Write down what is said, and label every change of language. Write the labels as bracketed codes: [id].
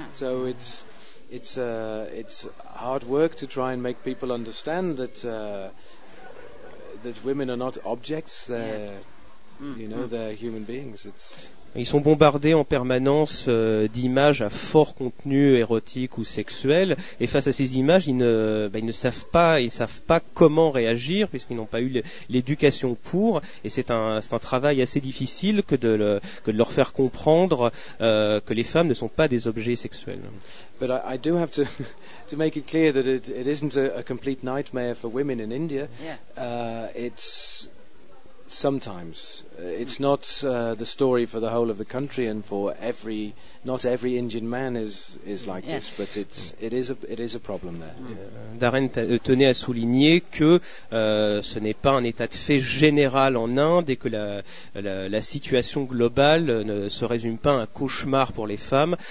[en] So it's hard work to try and make people understand that that women are not objects, they're human beings. It's [fr] ils sont bombardés en permanence d'images à fort contenu érotique ou sexuel, et face à ces images, ils ne savent pas comment réagir, puisqu'ils n'ont pas eu l'éducation pour. Et c'est un travail assez difficile que de leur faire comprendre que les femmes ne sont pas des objets sexuels. [en] But I do have to make it clear that it isn't a complete nightmare for women in India. It's sometimes. It's not the story for the whole of the country, and for every, not every Indian man is like this, but it is a problem there. [fr] Darren tenait à souligner que ce n'est pas un état de fait général en Inde, et que la situation globale ne se résume pas à un cauchemar pour les femmes.